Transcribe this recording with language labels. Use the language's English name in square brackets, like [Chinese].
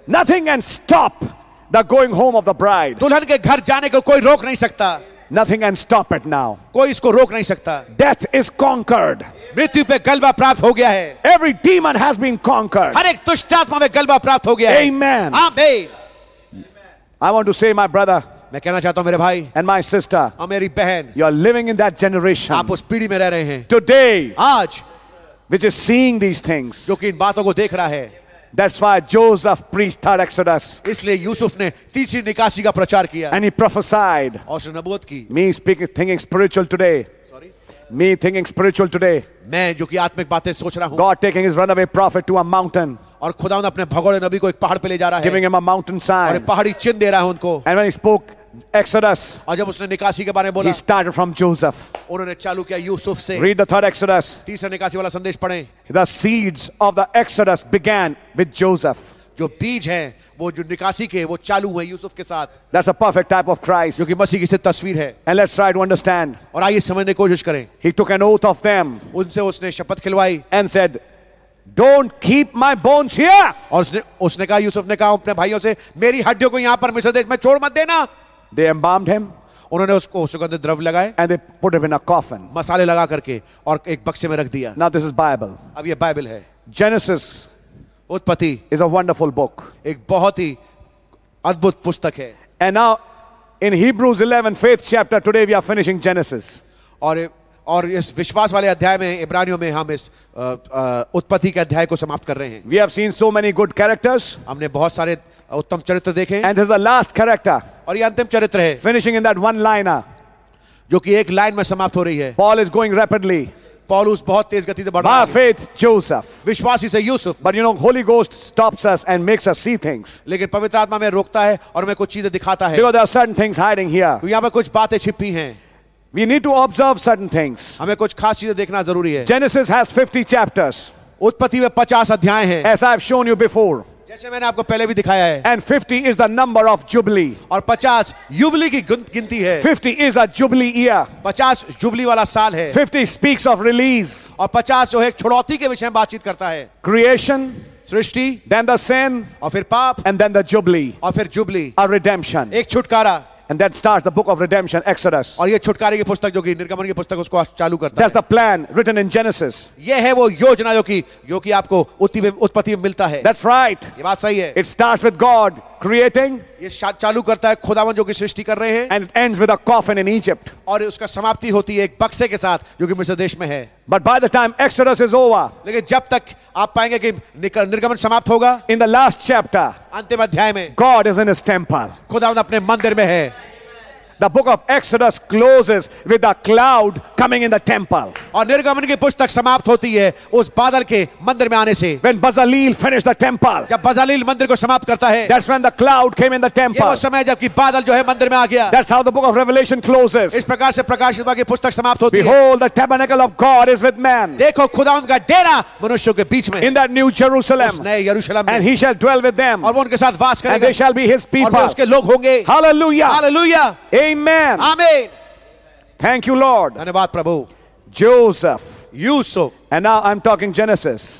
[English] Nothing can stop the going home of the bride. [Hindi] दुल्हन के घर जाने को कोई रोक नहीं सकता. [English] Nothing can stop it now. [Hindi] कोई इसको रोक नहीं सकता. [English] Death is conquered. [Hindi] मृत्यु पे गलबा प्राप्त हो गया है. [English] Every demon has been conquered. [Hindi] हर एक दुष्ट आत्मा में गलबा प्राप्त हो गया है. [English] Amen. [Hindi] Amen. [English] I want to say, my brother. [Hindi] मैं कहना चाहता हूं मेरे भाई. [English] And my sister. [Hindi] और मेरी बहन. [English] You are living in that generation. [Hindi] आप उस पीढ़ी में रह रहे हैं. [English] Today. [Hindi] आज. [English] Which is seeing these things. [Hindi] जो कि इन बातों को देख रहा है. [English] That's why Joseph preached third Exodus. [Hindi] इसलिए यूसुफ ने तीसरी निकासी का प्रचार किया. [English] And he prophesied. [Hindi] और उसने नबूवत की. [English] Me speaking, thinking spiritual today. Sorry. Me thinking spiritual today. [Hindi] मैं जो कि आत्मिक बातें सोच रहा हूँ. [English] God taking his runaway prophet to a mountain. [Hindi] और खुदावंद अपने भगोड़े नबी को एक पहाड़ पे ले जा रहा है. [English] Giving him a mountain sign. [Hindi] और एक पहाड़ी चिन्ह दे रहा है उनको. [English] And when he spoke Exodus. [Hindi] और जब उसने निकासी के बारे में बोला. [English] He started from Joseph. [Hindi] उन्होंने चालू किया यूसुफ से. [English] Read the third Exodus. [Hindi] तीसरा निकासी वाला संदेश पढ़ें. [English] The seeds of the Exodus began with Joseph. [Hindi] जो बीज हैं, वो जो निकासी के, वो चालू हुए यूसुफ के साथ. [English] That's a perfect type of Christ. [Hindi] जो कि मसीह की से तस्वीर है. [English] And let's try to understand. [Hindi] और आइए समझने की कोशिश करें. [English] He took an oath of them. [Hindi] उनसे उसने शपथ खिलवाई. [English] And said, Don't keep my bones here. [Hindi] और उसने कहा यूसुफ ने कहा अपने भाइयों से मेरी हड्डियों को यहां पर मिस्र देश में छोड़ मत देना. [English] They embalmed him. [Hindi] उन्होंने उसको सुगंधित द्रव्य लगाए. [English] And they put him in a coffin. [Hindi] मसाले लगा करके और एक बक्से में रख दिया. [English] Now this is Bible. [Hindi] अब ये बाइबल है. [English] Genesis. [Hindi] उत्पत्ति. [English] Is a wonderful book. [Hindi] एक बहुत ही अद्भुत पुस्तक है. [English] And now in Hebrews 11, faith chapter, today we are finishing Genesis. [Hindi] और इस विश्वास वाले अध्याय में इब्रानियों में हम इस उत्पत्ति के अध्याय को समाप्त कर रहे हैं. [English] We have seen so many good characters. [Hindi] हमने बहुत सारे उत्तम चरित्र देखे. [English] And this is the last character. [Hindi] और ये अंतिम चरित्र है. [English] Finishing in that one liner. [Hindi] जो कि एक लाइन में समाप्त हो रही है. [English] Paul is going rapidly. [Hindi] Paulus बहुत तेज गति से बढ़ रहा है. [English] By faith Joseph. [Hindi] विश्वासी से Yusuf. [English] But you know Holy Ghost stops us and makes us see things. [Hindi] लेकिन पवित्र आत्मा हमें रोकता है और हमें कुछ चीजें दिखाता है. [English] Because there are certain things hiding here. [Hindi] तो यहाँ पर कुछ बातें छिपी हैं. [English] We need to observe certain things. [Hindi] हमें कुछ खास चीजें देखना जरूरी है. [English] Genesis has 50 chapters. [Hindi] उत्पत्ति में 50 अध्याय हैं. [English] As I have shown you before. [Hindi] जैसे मैंने आपको पहले भी दिखाया है. [English] And 50 is the number of jubilee. [Hindi] और 50 jubilee की गिनती है. [English] 50 is a jubilee year. [Hindi] 50 jubilee वाला साल है. [English] 50 speaks of release. [Hindi] और 50 जो है छुड़ौती के विषय में बातचीत करता है. [English] Creation. [Hindi] Srishti. [English] Then the sin. [Hindi] और फिर पाप. [English] And then the jubilee. [Hindi] और फिर jubilee. [English] A redemption. [Hindi] एक छुटकारा. [English] And that starts the book of redemption, Exodus. [Hindi] और ये छुटकारे की पुस्तक जो कि निर्गमन की पुस्तक उसको चालू करता है. [English] That's the plan written in Genesis. [Hindi] ये है वो योजना जो कि आपको उत्पत्ति में मिलता है. [English] That's right. [Hindi] ये बात सही है. [English] It starts with God creating. [Hindi] ये चालू करता है खुदावन जो कि सृष्टि कर रहे हैं. [English] And it ends with a coffin in Egypt. [Hindi] और उसका समाप्ति होती है एक बक्से के साथ जो कि मिस्र देश में है. [English] But by the time Exodus is over. [Hindi] लेकिन जब तक आप पाएंगे कि निर्गमन समाप्त होगा. [English] In the last chapter. [Hindi] अंतिम अध्याय में. [English] God is in his temple. [Hindi] खुदावन अपने मंदिर में है. [English] The book of Exodus closes with a cloud coming in the temple. [Hindi] और निर्गमन की पुस्तक समाप्त होती है उस बादल के मंदिर में आने से. [English] When Bezalel finished the temple. [Hindi] जब बजालील मंदिर को समाप्त करता है. [English] That's when the cloud came in the temple. [Hindi] ये वो समय जबकि बादल जो है मंदिर में आ गया. [English] That's how the book of Revelation closes. [Hindi] इस प्रकार से प्रकाशित वाक्य की पुस्तक समाप्त होती है. [English] Behold, the tabernacle of God is with man. [Hindi] देखो खुदावंद का डेरा मनुष्यों के बीच में. [English] In that new Jerusalem. [Hindi] उस नए यरूशलेम. [English] And he shall dwell with them. [Hindi] और वो उनके साथ वास करेगा. [English] And they shall be his people. [Hindi] और वो उसके लोग होंगे. [English] Hallelujah. [Hindi] Hallelujah. [English] Amen. [Hindi] Amen. [English] Thank you, Lord. [Hindi] धन्यवाद प्रभु. [English] Joseph. [Hindi] Yusuf. [English] And now I'm talking Genesis.